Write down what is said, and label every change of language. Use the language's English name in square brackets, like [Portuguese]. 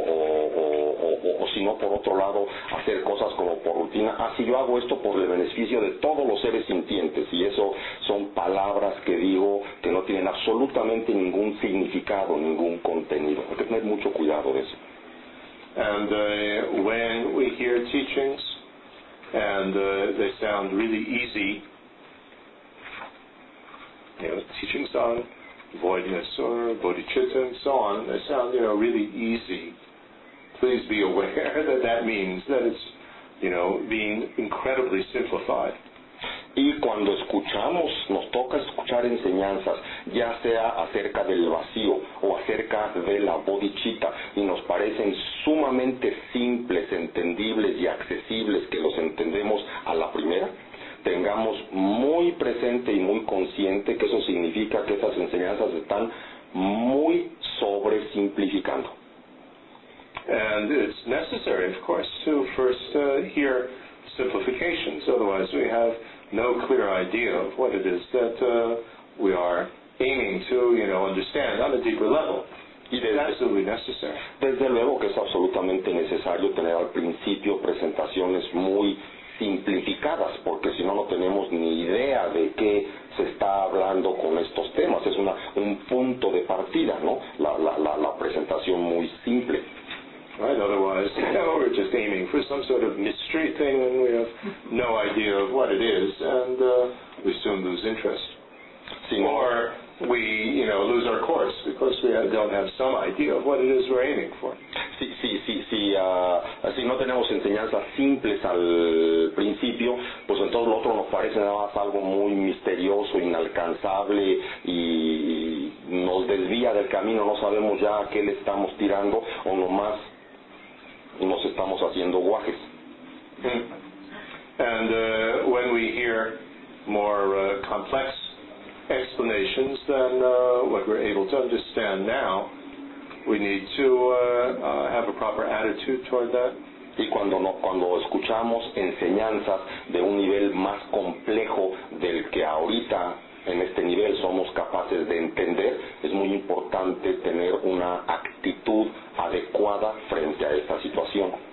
[Spanish] O sino por otro lado, hacer cosas como por rutina, si yo hago esto por el beneficio de todos los seres sintientes, y eso son palabras que digo que no tienen absolutamente ningún significado, ningún contenido. Hay que tener mucho cuidado de eso. [English] And when we hear teachings and they sound really easy, teachings on voidness or bodhicitta and so on, they sound, really easy, please be aware that that means that it's, being incredibly simplified. [Spanish] Y cuando escuchamos, nos toca escuchar enseñanzas, ya sea acerca del vacío o acerca de la bodhicitta, y nos parecen sumamente simples, entendibles y accesibles, que los entendemos a la primera, tengamos muy presente y muy consciente que eso significa que esas enseñanzas están muy sobre simplificando. [English] And it's necessary, of course, to first hear simplifications. Otherwise, we have no clear idea of what it is that we are aiming to, you know, understand on a deeper level. It's absolutely necessary. [Spanish] Desde luego que es absolutamente necesario tener al principio presentaciones muy simplificadas, porque si no, no tenemos ni idea de qué se está hablando con estos temas. Es un punto de partida, ¿no? La presentación muy simple. [English] Right, otherwise, you know, we're just aiming for some sort of mystery thing and we have no idea of what it is, and we soon lose interest. Or we, you know, lose our course because we don't have some idea of what it is we're aiming for. [Spanish] Si no tenemos enseñanzas simples al principio, pues entonces lo otro nos parece nada más algo muy misterioso, inalcanzable, y nos desvía del camino, no sabemos ya a qué le estamos tirando, o nomás nos estamos haciendo guajes. [English] And when we hear more complex explanations than what we're able to understand now, we need to have a proper attitude toward that. [Spanish] Y cuando escuchamos enseñanzas de un nivel más complejo del que ahorita en este nivel somos capaces de entender, es muy importante tener una actitud adecuada frente a esta situación.